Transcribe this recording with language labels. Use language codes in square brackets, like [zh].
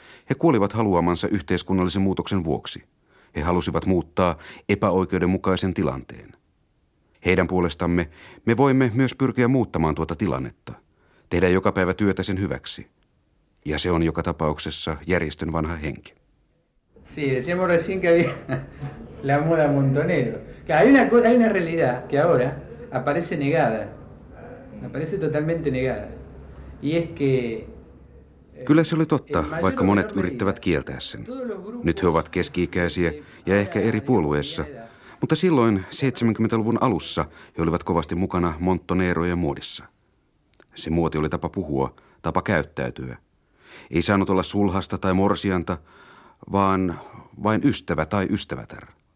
[fi] He kuolivat haluamansa yhteiskunnallisen muutoksen vuoksi. He halusivat muuttaa epäoikeudenmukaisen tilanteen. Heidän puolestamme me voimme myös pyrkiä muuttamaan tuota tilannetta, tehdä joka päivä työtä sen hyväksi. Ja se on joka tapauksessa järjestön vanha henki. [es] Sí, decíamos recién que había la moda Montonero. Que hay una cosa, hay una realidad que ahora aparece negada. Aparece totalmente negada. Y es que... [fi] Kyllä se oli totta, vaikka monet yrittävät kieltää sen. Nyt he ovat keski-ikäisiä ja ehkä eri puolueessa. Mutta silloin, 70-luvun alussa, he olivat kovasti mukana Montonerojen muodissa. Se muoti oli tapa puhua, tapa käyttäytyä. Ei saanut olla sulhasta tai morsianta, vaan vain ystävä tai ystävätär.